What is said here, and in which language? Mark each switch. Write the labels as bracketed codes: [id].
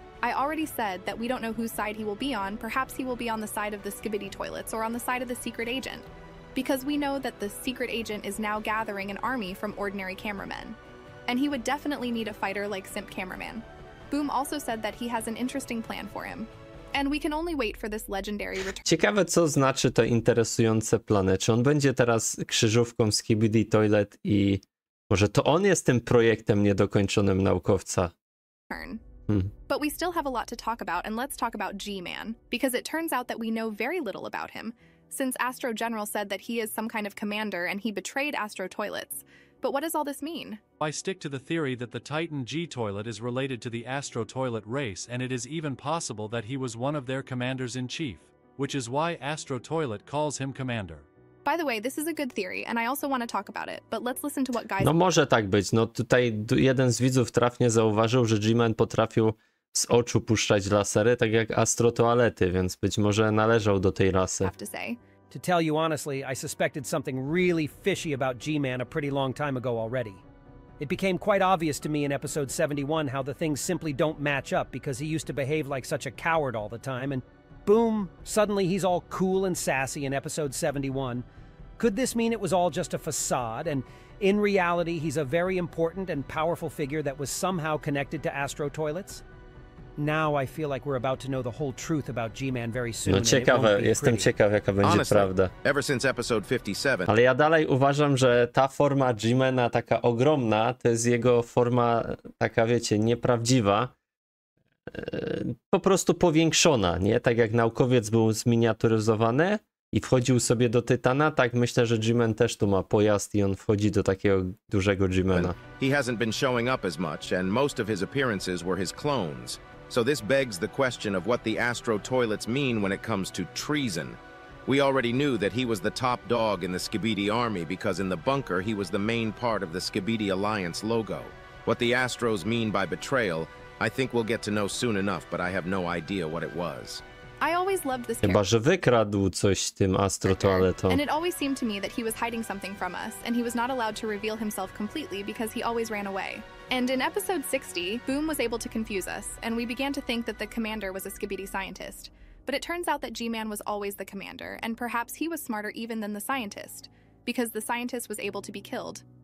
[en] I already said that we don't know whose side he will be on. Perhaps he will be on the side of the Skibidi Toilets or on the side of the secret agent. Because we know that the secret agent is now gathering an army from ordinary cameramen. And he would definitely need a fighter like Simp Cameraman. Boom also said that he has an interesting plan for him. And we can only wait for this legendary return. [pl] Ciekawe, co znaczy to interesujące plany. Czy on będzie teraz krzyżówką Skibidi Toilet i może to on jest tym projektem niedokończonym naukowca? [en] But we still have a lot to talk about, and let's talk about G-Man, because it turns out that we know very little about him, since Astro General said that he is some kind of commander and he betrayed Astro Toilets. But what does all this mean? I stick to the theory that the Titan G Toilet is related to the Astro Toilet race, and it is even possible that he was one of their commanders in chief, which is why Astro Toilet calls him commander. By the way, this is a good theory, and I also want to talk about it, but let's listen to what guys. [pl] No może tak być. No tutaj jeden z widzów trafnie zauważył, że G-Man potrafił z oczu puszczać lasery, tak jak Astro Toalety, więc być może należał do tej rasy. [en] Have to say. To tell you honestly, I suspected something really fishy about G-Man a pretty long time ago already. It became quite obvious to me in episode 71 how the things simply don't match up because he used to behave like such a coward all the time, and boom, suddenly he's all cool and sassy in episode 71. Could this mean it was all just a facade, and in reality he's a very important and powerful figure that was somehow connected to Astro Toilets? Now I feel like we're about to know the whole truth about G-Man very soon. [pl] No ciekawe, jestem ciekaw, jaka będzie [en] honestly, [pl] prawda. [en] Ever since episode 57. [pl] Ale ja dalej uważam, że ta forma G-Mana taka ogromna, to jest jego forma taka, wiecie, nieprawdziwa. po prostu powiększona, nie? Tak jak naukowiec był zminiaturyzowany i wchodził sobie do Tytana, tak myślę, że G-Man też tu ma pojazd i on wchodzi do takiego dużego G-Mana. [en] He hasn't been showing up as much and most of his appearances were his clones. So this begs the question of what the Astro Toilets mean when it comes to treason. We already knew that he was the top dog in the Skibidi army because in the bunker he was the main part of the Skibidi Alliance logo. What the Astros mean by betrayal, I think we'll get to know soon enough, but I have no idea what it was. I always loved this character. [pl] Chyba, że wykradł coś tym Astro Toaletom. [en] And it always seemed to me that he was hiding something from us, and he was not allowed to reveal himself completely because he always ran away. And in episode 60, Boom was able to confuse us, and we began to think that the commander was a Skibidi scientist. But it turns out that G-Man was always the commander, and perhaps he was smarter even than the scientist, because the scientist was able to be killed.